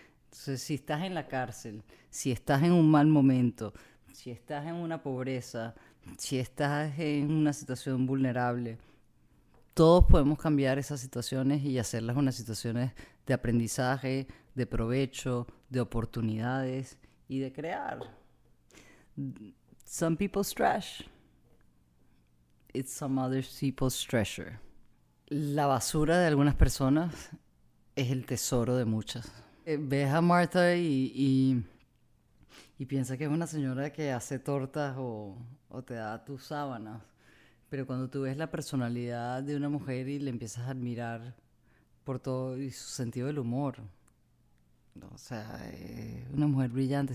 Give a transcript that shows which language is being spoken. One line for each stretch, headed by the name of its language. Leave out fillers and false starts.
Spanish: Entonces, si estás en la cárcel, si estás en un mal momento, si estás en una pobreza, Si estás en una situación vulnerable, todos podemos cambiar esas situaciones y hacerlas unas situaciones de aprendizaje, de provecho, de oportunidades y de crear.
English: Some people's trash. It's some other people's treasure.
Spanish: La basura de algunas personas es el tesoro de muchas. Ves a Martha y piensa que es una señora que hace tortas o te da tus sábanas. Pero cuando tú ves la personalidad de una mujer y le empiezas a admirar por todo y su sentido del humor, o sea, una mujer brillante.